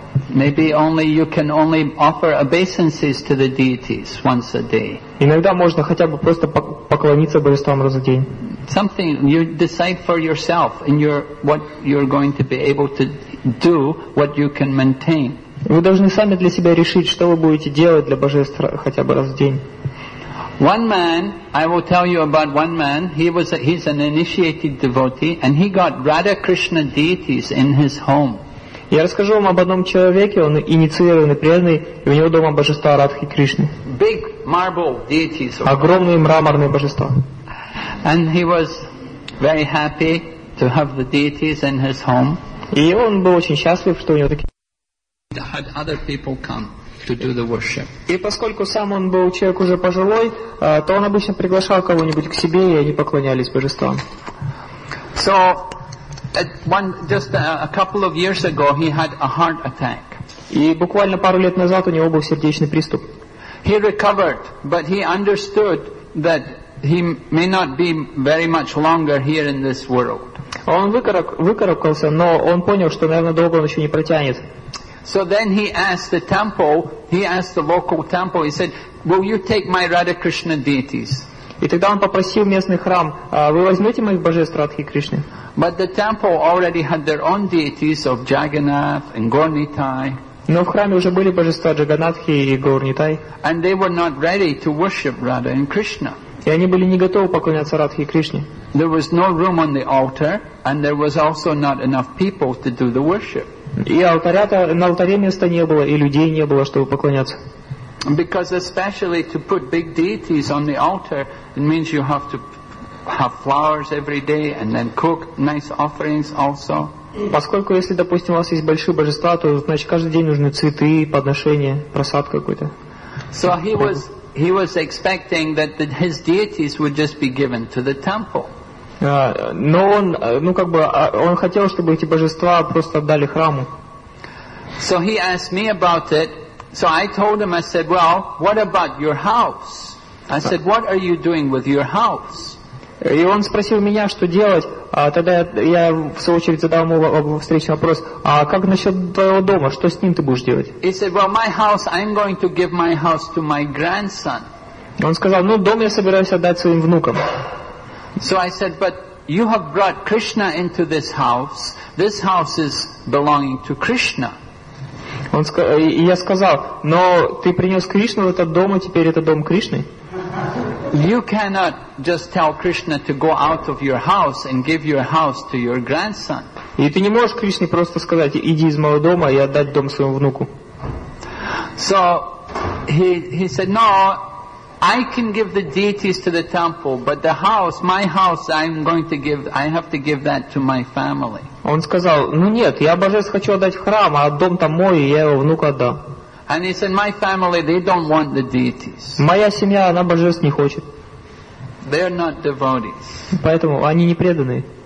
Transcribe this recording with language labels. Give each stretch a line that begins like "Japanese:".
English: Maybe only you can only offer obeisances to the deities once a day.
Russian: Иногда можно хотя бы просто поклониться божествам раз в день.
English: Something you decide for yourself and your what you're going to be able to do, what you can maintain.
Russian: Вы должны сами для себя решить, что вы будете делать для божеств хотя бы раз в день.
English: One man, I will tell you about one man. He's an initiated devotee, and he got Radha Krishna deities in his home.
Russian: Я расскажу вам об одном человеке, он инициированный, преданный, и у него дома божества Радхи Кришны.
English: Big marble deities.
Russian: Огромные мраморные божества.
English: And he was very happy to have the deities in his home.
Russian: И он был очень счастлив, что у него такие.
English: He had other people come to do the worship.
Russian: И поскольку сам он был человек уже пожилой, то он обычно приглашал кого-нибудь к себе, и они поклонялись божествам.
English: So, just a couple of years ago, he had a heart attack.
Russian: И буквально пару лет назад у него был сердечный приступ.
English: He recovered, but he understood that he may not be very much longer here in this world.
Russian: Он выкарабкался, но он понял, что, наверное, долго он еще не протянет.
English: So then he asked the temple. He asked the local temple. He said, "Will you take my Radha Krishna deities?"
Russian: И тогда он попросил местный храм: "Вы возьмете моих божеств Радхи Кришны?"
English: But the temple already had their own deities of Jagannath and Gornitai.
Russian: Но в храме уже были божества Джаганатхи и Горнитай.
English: And they were not ready to worship Radha and Krishna.
Russian: И они были не готовы поклоняться Радхе и Кришне.
English: There was no room on the altar, and there was also not enough people to do the worship.
Russian: И на алтаре места не было, и людей не было, чтобы поклоняться.
English: Because especially to put big deities on the altar, it means you have to have flowers every day and then cook nice offerings also.
Russian: Поскольку, если, допустим, у вас есть большие божества, то значит каждый день нужны цветы, подношения, просад какой-то.
English: So he was expecting that his deities would just be given to the temple.
Russian: Но он, ну как бы, он хотел, чтобы эти божества просто отдали храму.
English: So he asked me about it. So I told him, I said, "Well, what about your house?" I said, "What are you doing with your house?"
Russian: И он спросил меня, что делать, а тогда я в свою очередь задал ему встречный вопрос: "А как насчет твоего дома? Что с ним ты будешь делать?"
English: He said, "Well, my house, I'm going to give my house to my grandson."
Russian: Он сказал, ну, дом я собираюсь отдать своим внукам.
English: So I said, but you have brought Krishna into this house. This house is belonging to Krishna.
Russian: Он сказал, я сказал, но ты принес Кришну в этот дом, и теперь это дом Кришны.
English: You cannot just tell Krishna to go out of your house and give your house to your grandson.
Russian: И ты не можешь Кришне просто сказать, иди из моего дома и отдать дом своему внуку.
English: So he said, no, I can give the deities to the temple, but the house, my house, I'm going to give, I have to give that to my family.
Russian: Он сказал, ну нет, я божеств хочу отдать в храм, а дом там мой, и я его внуку отдам.
English: And he said, my family, they don't want the deities.
Russian: Моя семья, она божеств не хочет.
English: They're not devotees.
Russian: Поэтому они не преданные.